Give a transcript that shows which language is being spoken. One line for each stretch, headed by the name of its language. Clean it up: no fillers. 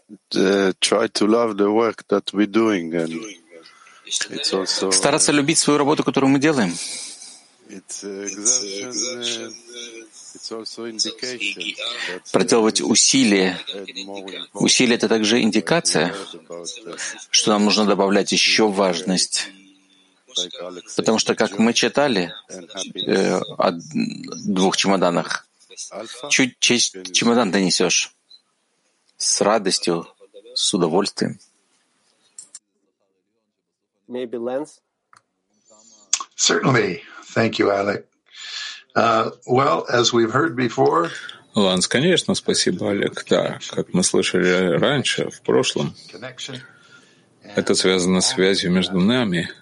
English: Try to love the work that we're doing and
Russian: стараться любить свою работу, которую мы делаем. Проделывать усилия. Усилия — это также индикация, что нам нужно добавлять еще важность. Потому что, как мы читали о двух чемоданах, чемодан ты несешь с радостью, с удовольствием.
English: Maybe Lance? Certainly. Thank you, Alec. Well, as we've heard before.
Russian: Ланс, конечно, спасибо, Олег. Да, как мы слышали раньше, в прошлом, это связано с связью между нами.